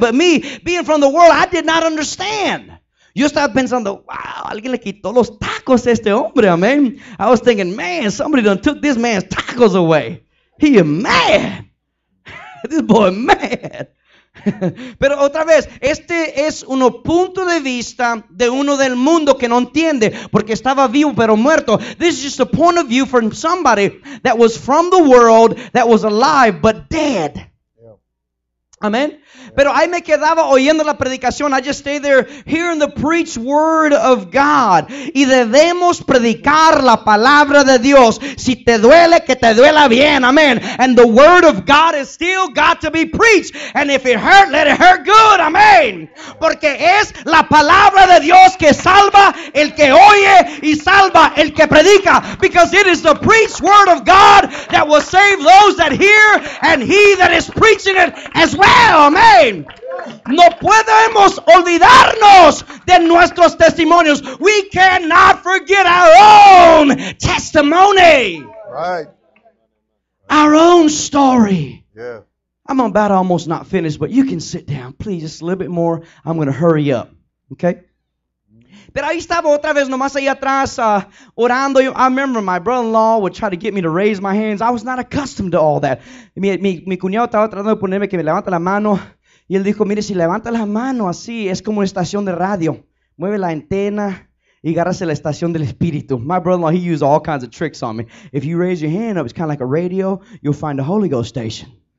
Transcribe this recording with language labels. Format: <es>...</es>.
<en>But me, being from the world, I did not understand.</en> <es>Yo estaba pensando, wow, alguien le quitó los tacos a este hombre.</es> <en>Amen. I was thinking, man, somebody done took this man's tacos away. He is mad. This boy mad.</en> <es>Pero otra vez, este es un punto de vista de uno del mundo que no entiende porque estaba vivo pero muerto.</es> <en>This is just a point of view from somebody that was from the world, that was alive but dead. Amen.</en> <es>Pero ahí me quedaba oyendo la predicación.</es> <en>I just stay there hearing the preached word of God.</en> <es>Y debemos predicar la palabra de Dios. Si te duele, que te duela bien.</es> <en>Amen. And the word of God is still got to be preached. And if it hurt, let it hurt good. Amen.</en> <es>Porque es la palabra de Dios que salva el que oye y salva el que predica.</es> <en>Because it is the preached word of God that will save those that hear and he that is preaching it as well.</en> <es>Amen. No podemos olvidarnos de nuestros testimonios.</es> <en>We cannot forget our own testimony. Right. Our own story. Yeah. I'm about almost not finished, but you can sit down. Please, just a little bit more. I'm going to hurry up. Okay?</en> <es>Pero ahí estaba otra vez, nomás ahí atrás, orando.</es> <en>I remember my brother-in-law would try to get me to raise my hands. I was not accustomed to all that.</en> <es>Mi cuñado estaba tratando de ponerme que me levante la mano. Y él dijo, mire, si levanta la mano así, es como una estación de radio. Mueve la antena y agárrase la estación del espíritu.</es> <en>My brother-in-law, he used all kinds of tricks on me. If you raise your hand up, it's kind of like a radio, you'll find a Holy Ghost station.</en>